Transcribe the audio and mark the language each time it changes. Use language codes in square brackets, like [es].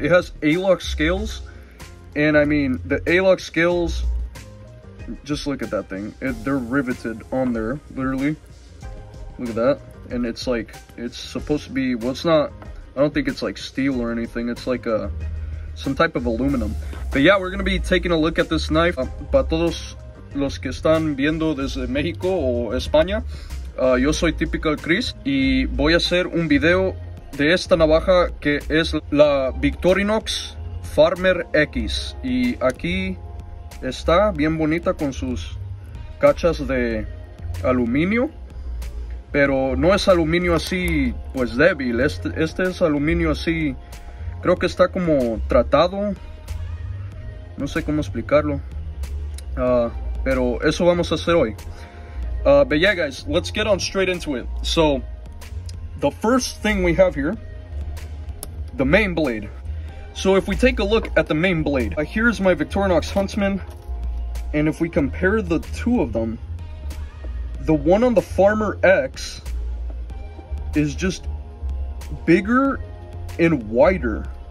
[en] It has Alux scales, and I mean, the Alux scales, just look at that thing. They're riveted on there, literally. Look at that. And it's like, it's supposed to be, well, it's not, I don't think it's like steel or anything. It's like some type of aluminum. But yeah, we're gonna be taking a look at this knife. [es] Para todos los que están viendo desde México o España, yo soy Typical Chris, y voy a hacer un video de esta navaja que es la Victorinox Farmer X. Y aquí está bien bonita con sus cachas de aluminio, pero no es aluminio así pues débil. Este es aluminio así, creo que está como tratado, no sé cómo explicarlo, pero eso vamos a hacer hoy. [en] But yeah, guys, let's get on straight into it. So the first thing we have here, the main blade. So if we take a look at the main blade, here's my Victorinox Huntsman. And if we compare the two of them, the one on the Farmer X is just bigger and wider.